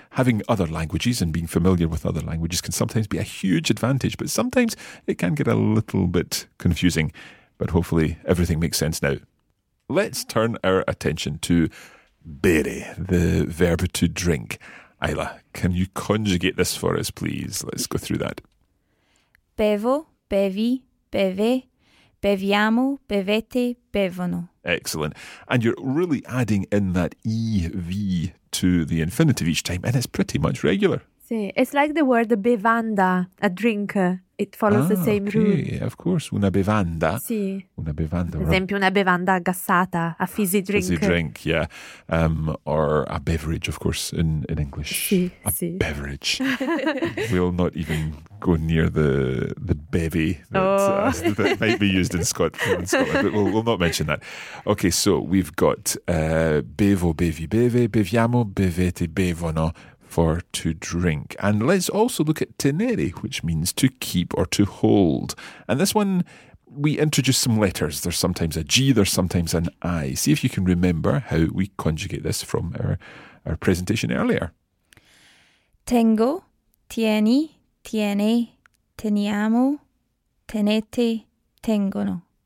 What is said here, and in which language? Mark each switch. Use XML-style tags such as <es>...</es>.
<en>Having other languages and being familiar with other languages can sometimes be a huge advantage, but sometimes it can get a little bit confusing. But hopefully everything makes sense now. Let's turn our attention to bere, the verb to drink. Ayla, can you conjugate this for us, please? Let's go through that.</en> <it>Bevo, bevi, beve, beviamo, bevete, bevono.</it> <en>Excellent. And you're really adding in that EV to the infinitive each time, and it's pretty much regular.</en> <it>Sì,</it> <en>it's like the word bevanda, a drinker. It follows the same rule. Okay, of course.</en> <it>Una bevanda. Sì. Una bevanda. Ad esempio, una bevanda gassata,</it> <en>a fizzy drink. Fizzy drink, yeah. Or a beverage, of course, in English.</en> <it>Sì, a sì.</it> <en>Beverage. We'll not even go near the bevy that might be used in Scotland, but we'll not mention that. Okay, so we've got</en> <it>bevo, bevi, beve, beviamo, bevete, bevono.</it> <en>for to drink. And let's also look at tenere, which means to keep or to hold. And this one, we introduce some letters. There's sometimes a G, there's sometimes an I. See if you can remember how we conjugate this from our presentation earlier.</en> <it>Tengo, tieni, tiene, teniamo, tenete, tengono.</it>